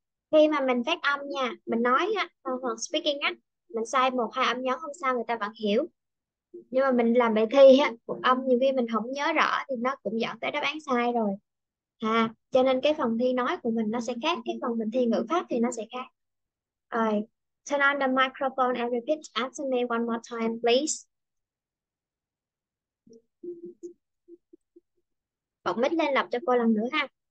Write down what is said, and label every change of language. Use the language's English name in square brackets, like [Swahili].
[Vietnamese] Khi mà mình phát âm nha, mình nói á, phần speaking á, mình sai một hai âm nhấn không sao, người ta vẫn hiểu. Nhưng mà mình làm bài thi á, một âm nhiều khi mình không nhớ rõ thì nó cũng dẫn tới đáp án sai rồi. À, cho nên cái phần thi nói của mình nó sẽ khác, cái phần mình thi ngữ pháp thì nó sẽ khác. Rồi, [English] turn on the microphone and repeat after me one more time, please. [Vietnamese] Bật mic lên lập cho cô lần nữa ha.